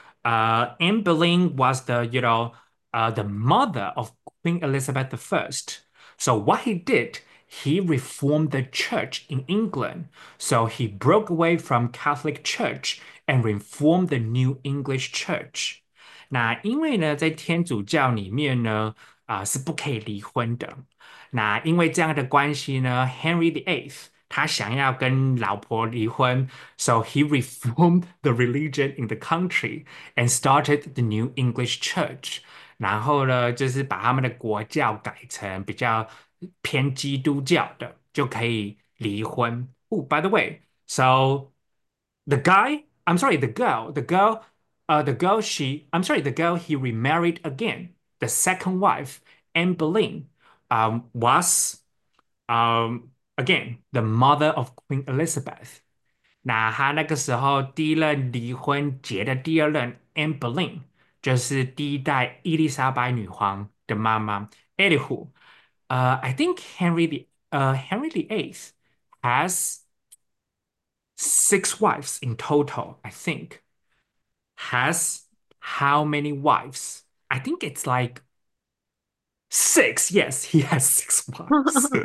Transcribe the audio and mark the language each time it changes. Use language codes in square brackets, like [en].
[en] Anne Boleyn was the, you know. The mother of Queen Elizabeth I. So what he did, he reformed the church in England. So he broke away from Catholic Church and reformed the New English Church. [zh] 那因为呢，在天主教里面呢，是不可以离婚的。那因为这样的关系呢， [en] Henry the Eighth [zh] 他想要跟老婆离婚， [en] So he reformed the religion in the country and started the New English Church. [zh] 然后呢，就是把他们的国教改成比较偏基督教的，就可以离婚。 [en] Oh, by the way, so the guy, I'm sorry, the girl he remarried again, the second wife, Anne Boleyn, was again the mother of Queen Elizabeth. [zh] 那他那个时候第一任离婚结的第二任 Anne Boleyn。就是第一代伊丽莎白女皇的妈妈。 [en] Anywho, I think Henry the Eighth has six wives in total. I think has how many wives? I think it's like six. Yes, he has six wives.